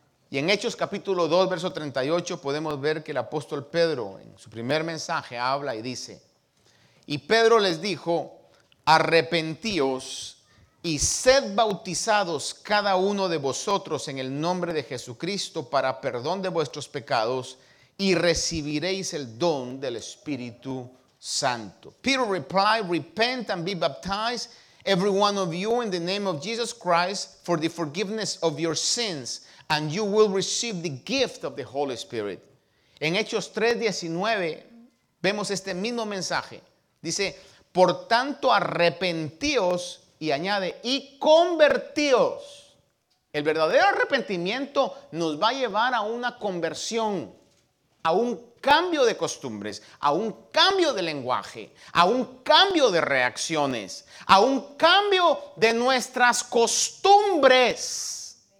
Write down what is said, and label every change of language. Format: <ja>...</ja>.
<es>Y en Hechos capítulo 2, verso 38, podemos ver que el apóstol Pedro en su primer mensaje habla y dice: y Pedro les dijo, arrepentíos y sed bautizados cada uno de vosotros en el nombre de Jesucristo para perdón de vuestros pecados y recibiréis el don del Espíritu Santo.</es> <en>Peter replied, repent and be baptized every one of you in the name of Jesus Christ for the forgiveness of your sins, and you will receive the gift of the Holy Spirit.</en> <es>En Hechos 3:19 vemos este mismo mensaje. Dice, por tanto arrepentíos, y añade, y convertíos. El verdadero arrepentimiento nos va a llevar a una conversión, a un cambio de costumbres, a un cambio de lenguaje, a un cambio de reacciones, a un cambio de nuestras costumbres.</es>